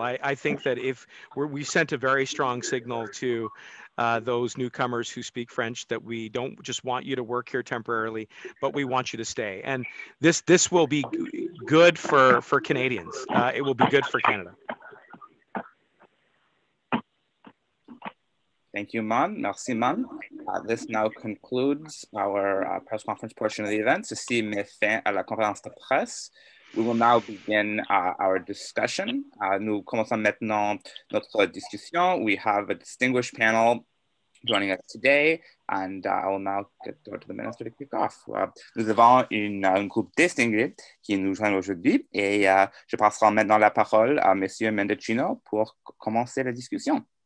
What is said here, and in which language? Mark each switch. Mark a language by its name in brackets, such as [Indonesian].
[English] I think that if we sent a very strong signal to those newcomers who speak French that we don't just want you to work here temporarily, but we want you to stay. And this will be good for Canadians. It will be good for Canada. Thank you, Man. [French] Merci, Man. [English] This now concludes our press conference portion of the event. [French] Ceci met fin à la conférence de presse. [English] We will now begin our discussion. [French] Nous commençons maintenant notre discussion. [English] We have a distinguished panel joining us today, and I will now get over to the minister to kick off. [French] Nous avons une groupe distinguée qui nous joint aujourd'hui, et je passerai maintenant la parole à Monsieur Mendocino pour commencer la discussion.